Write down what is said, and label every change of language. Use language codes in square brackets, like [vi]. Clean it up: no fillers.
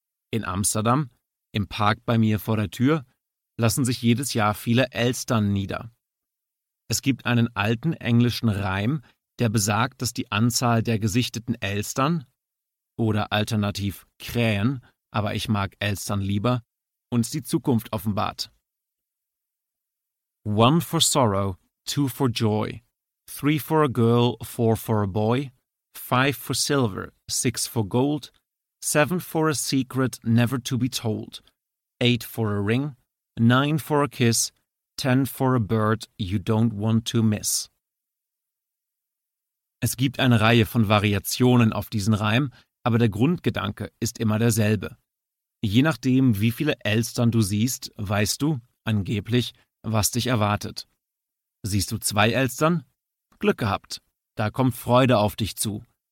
[de] In Amsterdam, im Park bei mir vor der Tür, lassen sich jedes Jahr viele Elstern nieder. Es gibt einen alten englischen Reim, der besagt, dass die Anzahl der gesichteten Elstern oder alternativ Krähen, aber ich mag Elstern lieber, uns die Zukunft offenbart. [en] One for sorrow, two for joy, three for a girl, four for a boy, five for silver, six for gold, seven for a secret never to be told, eight for a ring, nine for a kiss, ten for a bird you don't want to miss. [de] Es gibt eine Reihe von Variationen auf diesen Reim, aber der Grundgedanke ist immer derselbe. Je nachdem, wie viele Elstern du siehst, weißt du, angeblich, was dich erwartet. Siehst du zwei Elstern? Glück gehabt, da kommt Freude auf dich zu.